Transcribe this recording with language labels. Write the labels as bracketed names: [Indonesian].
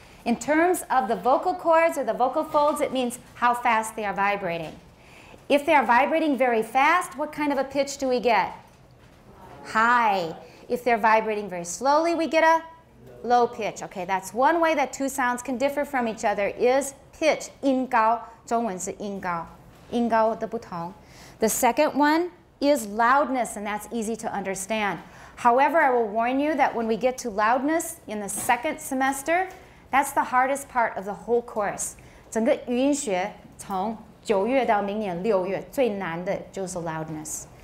[English] In terms of the vocal cords or the vocal folds, it means how fast they are vibrating. If they are vibrating very fast, what kind of a pitch do we get? High. If they're vibrating very slowly, we get a low pitch. Okay, that's one way that two sounds can differ from each other is pitch. [Chinese] 音高,中文是音高,音高的不同. [English] The second one is loudness, and that's easy to understand. However, I will warn you that when we get to loudness in the second semester, that's the hardest part of the whole course. [Chinese] 整个语音学从9月到明年6月最难的就是 loudness.